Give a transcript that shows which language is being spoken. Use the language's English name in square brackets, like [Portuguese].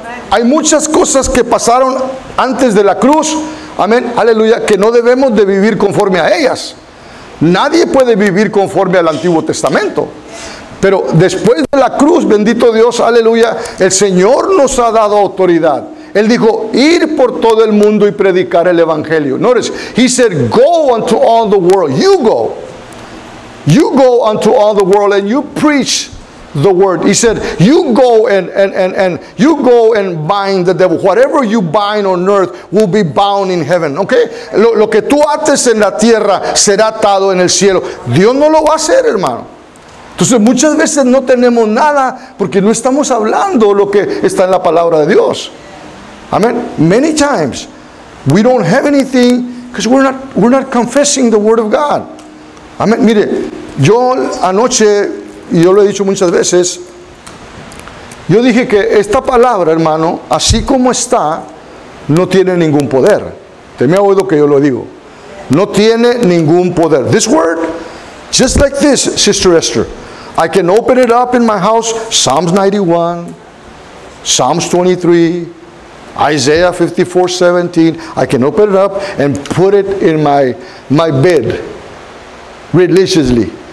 [Spanish] Hay muchas cosas que pasaron antes de la cruz, amén, aleluya, que no debemos de vivir conforme a ellas. Nadie puede vivir conforme al Antiguo Testamento. Pero después de la cruz, bendito Dios, aleluya, el Señor nos ha dado autoridad. Él dijo, ir por todo el mundo y predicar el Evangelio. [English] Notice, he said, go unto all the world. You go. You go unto all the world and you preach the word. He said, you go and you go and bind the devil. Whatever you bind on earth will be bound in heaven. Okay? [Spanish] Lo que tú ates en la tierra será atado en el cielo. Dios no lo va a hacer, hermano. Entonces muchas veces no tenemos nada porque no estamos hablando lo que está en la palabra de Dios. Amen. [English] Many times we don't have anything because we're not confessing the word of God. Amen. [Spanish] Mire, yo anoche, y yo lo he dicho muchas veces, yo dije que esta palabra, hermano, así como está, no tiene ningún poder. ¿Te me ha oído que yo lo digo? No tiene ningún poder. [English] This word, just like this, Sister Esther, I can open it up in my house, Psalms 91, Psalms 23, Isaiah 54:17. I can open it up and put it in my bed religiously.